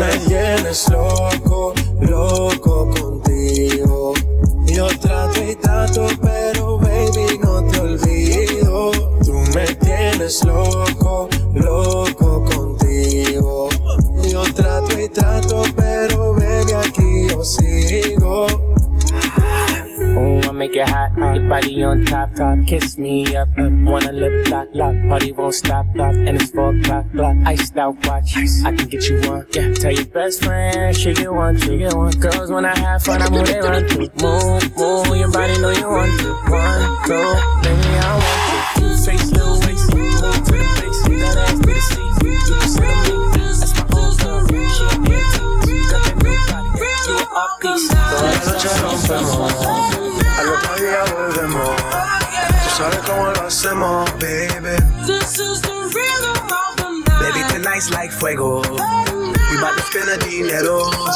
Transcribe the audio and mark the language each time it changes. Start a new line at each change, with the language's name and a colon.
Spanish: Tú me tienes loco, loco contigo. Yo trato y trato, pero baby, no te olvido. Tú me tienes loco, loco contigo. Yo trato y trato, pero baby, aquí yo sigo.
English: Oh, I make it hot, your body on top, top. Kiss me up, up. Wanna lip lock, lock. Party won't stop, lock. And it's 4 o'clock, block. Iced out watch, ice. I can get you one, yeah. Tell your best friend, she get one, she get one. Girls, when I have fun, I'm who they run to. Move, move, your body know you want to. One, two, baby, I want to. Two face, little waist, move to the face. You got that ass to the seat, you can sit on me. That's my whole story, she a bitch.
Spanish: Toda la noche rompemos, al otro día volvemos. Tú sabes cómo lo hacemos, baby.
English: This is the rhythm of the night. Baby, tonight's like fuego. We about to spend the dinero.